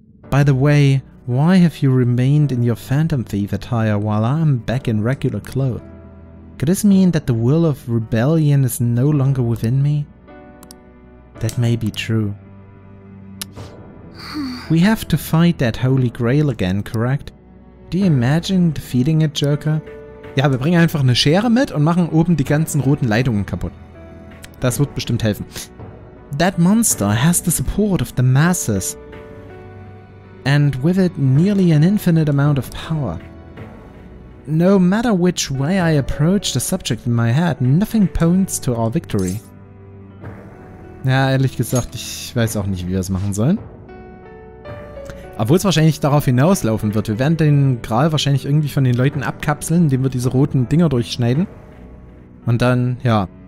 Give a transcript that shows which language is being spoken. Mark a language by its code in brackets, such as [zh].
[en] By the way, why have you remained in your Phantom Thief attire while I'm back in regular clothes? Could this mean that the will of rebellion is no longer within me? That may be true. We have to fight that Holy Grail again, correct? Do you imagine defeating it, Joker? [de] Ja, wir bringen einfach eine Schere mit und machen oben die ganzen roten Leitungen kaputt. Das wird bestimmt helfen. [en] That monster has the support of the masses. And with it nearly an infinite amount of power. No matter which way I approach the subject in my head, nothing points to our victory. [de] Ja, ehrlich gesagt, ich weiß auch nicht, wie wir es machen sollen. Obwohl es wahrscheinlich darauf hinauslaufen wird. Wir werden den Gral wahrscheinlich irgendwie von den Leuten abkapseln, indem wir diese roten Dinger durchschneiden. Und dann, ja.